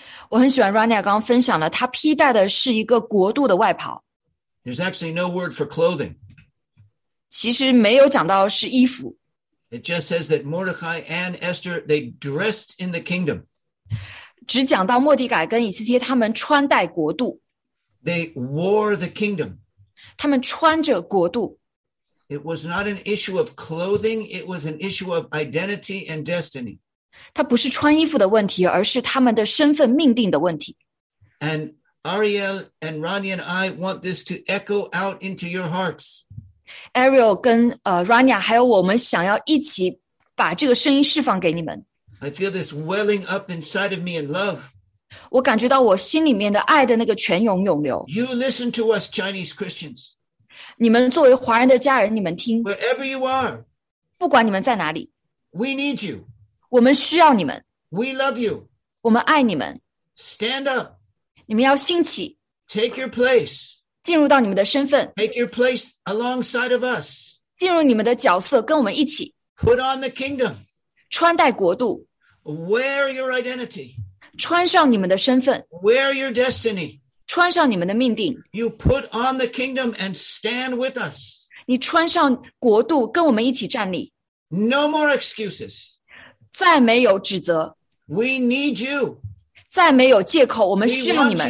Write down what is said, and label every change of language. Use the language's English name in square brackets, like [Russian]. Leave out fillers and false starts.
[Chinese] 我很喜欢 Rania 刚刚分享的，她披戴的是一个国度的外袍。 [English] There's actually no word for clothing. [Chinese] 其实没有讲到是衣服。 [English] It just says that Mordechai and Esther, they dressed in the kingdom. [Chinese] 只讲到莫迪改跟以斯帖他们穿戴国度。 [English] They wore the kingdom. [Chinese] 他们穿着国度。 [English] It was not an issue of clothing, it was an issue of identity and destiny. [Chinese] 它不是穿衣服的问题，而是他们的身份命定的问题。 [English] And Ariel and Rania and I want this to echo out into your hearts. [Chinese] Ariel 跟Rania 还有我们想要一起把这个声音释放给你们。 [English] I feel this welling up inside of me in love. [Chinese] 我感觉到我心里面的爱的那个泉涌涌流。 [English] You listen to us Chinese Christians. [Chinese] 你们作为华人的家人，你们听。 [English] Wherever you are, [Chinese] 不管你们在哪里。 [English] We need you. [Chinese] 我们需要你们。 [English] We love you. [Chinese] 我们爱你们。 [English] Stand up. [Chinese] 你们要兴起。 [English] Take your place. [Chinese] 进入到你们的身份。 [English] Take your place alongside of us. [Chinese] 进入你们的角色，跟我们一起。 [English] Put on the kingdom. [Chinese] 穿戴国度。 [English] Wear your identity. [Chinese] 穿上你们的身份。 [English] Wear your destiny. [Chinese] 穿上你们的命定。 [English] You put on the kingdom and stand with us. [Chinese] 你穿上国度，跟我们一起站立。 [English] No more excuses. [Chinese] 再没有指责。 [English] We need you. [Chinese] 再没有借口，我们需要你们。